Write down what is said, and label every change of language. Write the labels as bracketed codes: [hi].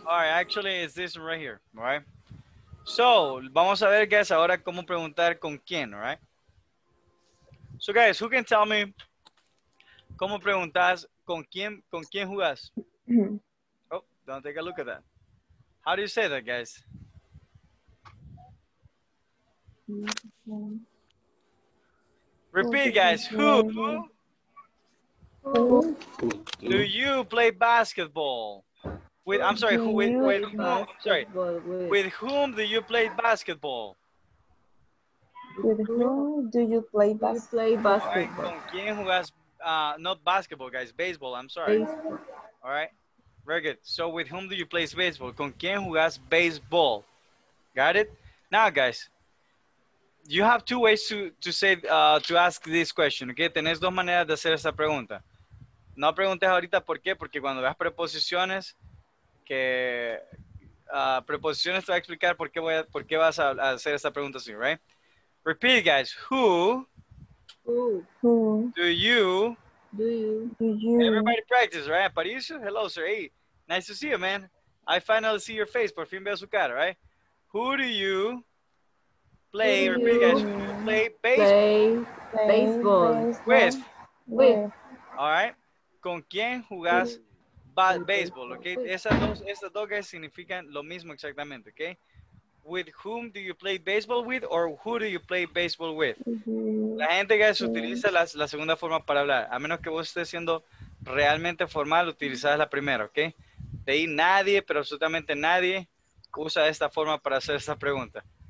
[en] All right, actually, it's this one right here, all right? [es] So, vamos a ver, guys, ahora cómo preguntar con quién, all right? [en] So, guys, who can tell me [es] cómo preguntas con quién jugas? [en] Oh, don't take a look at that. How do you say that, guys? Repeat, guys. Who do you play basketball with? I'm sorry. With whom do you play basketball? With whom do you play basketball? [es] Con quién jugas, [en] not basketball, guys. Baseball. I'm sorry. Baseball. All right. Very good. So, with whom do you play baseball? [es] Con quién jugas baseball? [en] Got it? Now, guys. You have two ways to ask this question, okay? [es] Tenés dos maneras de hacer esta pregunta. No preguntes ahorita por qué, porque cuando veas preposiciones, que preposiciones te va a explicar por qué vas a hacer esta pregunta así, right? [en] Repeat, guys. Who do you everybody practice, right? Aparicio, hello, sir. Hey, nice to see you, man. I finally see your face. [es] Por fin veo su cara, [en] right? Who do you play, repeat, guys. Play baseball. With. All right. [es] Con quién jugas baseball, okay? Esas dos guys significan lo mismo exactamente, okay? [en] With whom do you play baseball with or who do you play baseball with? [es] La gente, guys, utiliza la segunda forma para hablar. A menos que vos estés siendo realmente formal, utilizas la primera, okay? De ahí nadie, pero absolutamente nadie, usa esta forma para hacer esta pregunta.